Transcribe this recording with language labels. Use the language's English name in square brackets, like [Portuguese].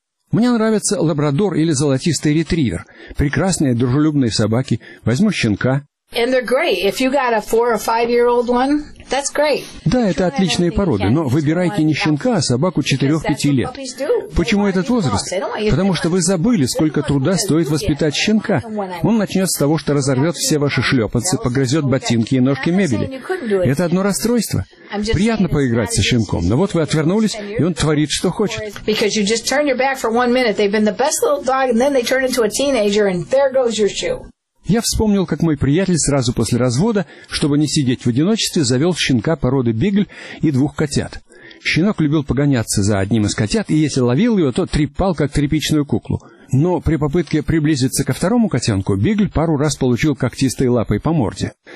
[Russian] Мне нравится лабрадор или золотистый ретривер. Прекрасные, дружелюбные собаки. Возьму щенка. [English] And they're great. If you got a 4 or 5 year old one, that's great. [Russian] Да, это отличные породы, но выбирайте не щенка, а собаку 4-5 лет. Почему этот возраст? Потому что вы забыли, сколько труда стоит воспитать щенка. Он начнет с того, что разорвет все ваши шлепанцы, погрызет ботинки и ножки мебели. Это одно расстройство. Приятно поиграть со щенком, но вот вы отвернулись, и он творит, что хочет. [English] Because you just turn your back for one minute. They've been the best little dog, and then they turn into a teenager, and there goes your shoe. [Russian] Я вспомнил, как мой приятель сразу после развода, чтобы не сидеть в одиночестве, завел щенка породы бигль и 2 котят. Щенок любил погоняться за одним из котят, и если ловил его, то трепал, как тряпичную куклу. Но при попытке приблизиться ко второму котенку, бигль пару раз получил когтистой лапой по морде.